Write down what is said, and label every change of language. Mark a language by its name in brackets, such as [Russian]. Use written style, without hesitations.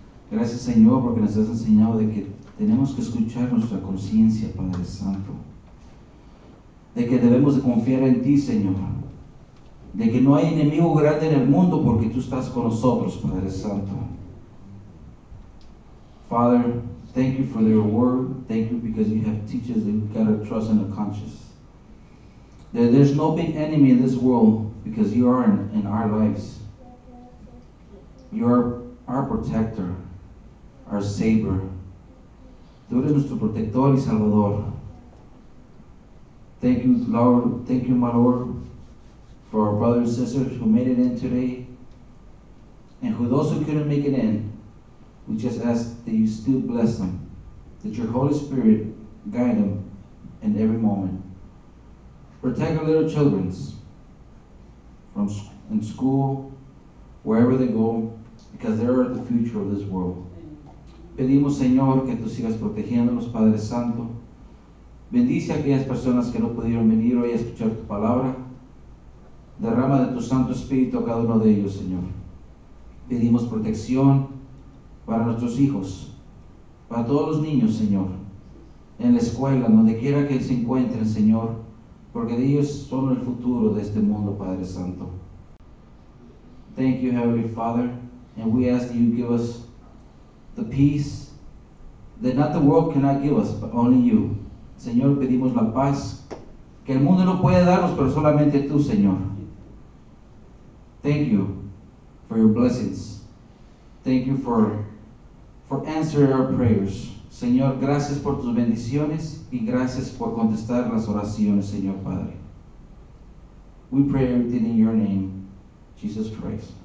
[Spanish] Gracias, Señor, porque nos has enseñado de que tenemos que escuchar nuestra conciencia, Padre Santo. De que debemos de confiar en ti, Señor. De que no hay enemigo grande en el mundo porque tú estás con nosotros, Padre Santo. [English] Father, thank you for your word. Thank you because you have teachers that we've got to trust in the conscience. That there's no big enemy in this world because you are in our lives. You are our protector, our savior. [Spanish] Tú eres nuestro protector y salvador. [English] Thank you, Lord. Thank you, my Lord, for our brothers and sisters who made it in today. And who those who couldn't make it in, we just ask that you still bless them. That your Holy Spirit guide them in every moment. Protect our little children from in school, wherever they go, because they are the future of this world. [Spanish] Pedimos, Señor, que tú sigas protegiéndonos, Padre Santo. Bendice a aquellas personas que no pudieron venir hoy a escuchar tu palabra. Derrama de tu Santo Espíritu a cada uno de ellos, Señor. Pedimos protección para nuestros hijos. Para todos los niños, Señor, en la escuela, donde quiera que se encuentren, Señor, porque ellos son el futuro de este mundo, Padre Santo. [English] Thank you, Heavenly Father, and we ask that you give us the peace that not the world cannot give us, but only you. [Spanish] Señor, pedimos la paz que el mundo no puede darnos, pero solamente tú, Señor. [English] Thank you for your blessings. Thank you for answering our prayers. [Spanish] Señor, gracias por tus bendiciones y gracias por contestar las oraciones, Señor Padre. [English] We pray everything in your name, Jesus Christ.